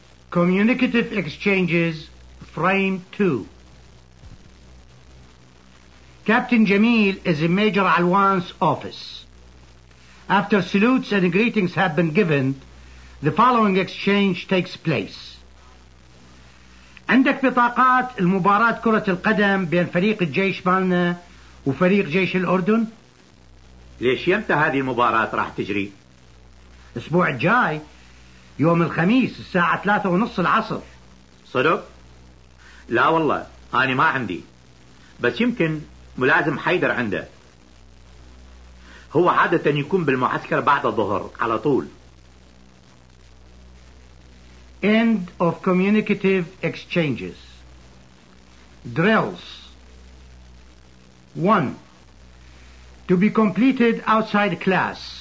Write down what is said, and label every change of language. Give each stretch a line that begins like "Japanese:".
English: Communicative exchanges. Frame 2. Captain Jamil is in Major Alwan's office. After salutes and greetings have been given, the following exchange takes place.
Arabic: عندك بطاقات المباراة كرة القدم بين فريق الجيش مالنا وفريق جيش الأردن؟ ليش يمتى هذه المباراة راح تجري؟ الأسبوع الجاي يوم الخميس الساعة 3:30 العصر. صدق؟ لا والله أنا ما عندي، بس يمكن ملازم حيدر عنده، هو عادة يكون بالمعسكر بعد الظهر على طول.
English: End of communicative exchanges. Drills. 1. To be completed outside class.